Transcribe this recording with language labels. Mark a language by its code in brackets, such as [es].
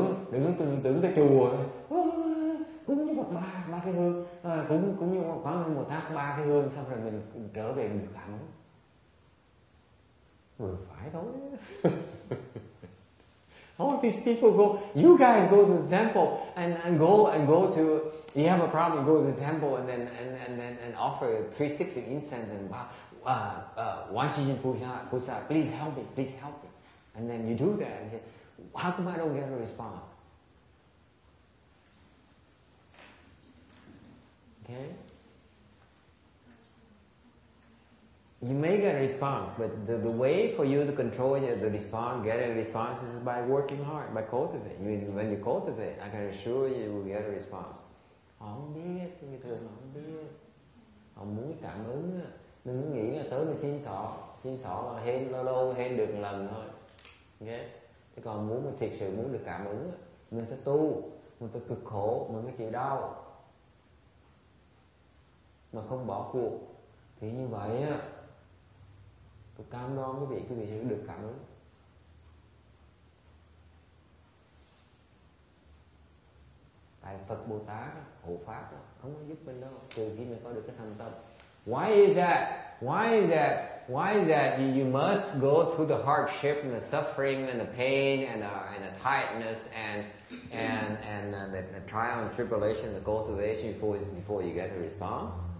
[vi] Đừng có tưởng cái chùa cũng như Phật ba cái hương, cũng như Quán Âm Bồ Tát ba cái hương xong rồi mình trở về mình được cảm ứng. Vừa phải thôi. [en] All these people go, you guys go to the temple and go to, you have a problem, go to the temple and then offer 3 sticks of incense and one Shijin Pusa, please help me. And then you do that and say, how come I don't get a response? Okay? You may get a response, but the way for you to control the response, getting a response, is by working hard, by cultivating. When you cultivate, I can assure you, you will get a response. [vi] Không biết, người thường không biết. Không muốn cảm ứng. Đừng nghĩ là tới mình xin xỏ là hên lâu lâu, hên được lần thôi. Okay? Thế còn muốn mình thiệt sự muốn được cảm ứng, mình phải tu, mình phải cực khổ, mình phải chịu đau. Mà không bỏ cuộc. Thì như vậy á, tôi cam đoan quý vị sẽ được cảm ứng. Tại Phật Bồ Tát á, hộ pháp á, không có giúp mình đâu, trừ khi mình có được cái thành tâm. [en] Why is that? You must go through the hardship and the suffering and the pain and the tiredness and the trial and tribulation, the cultivation before you get the response.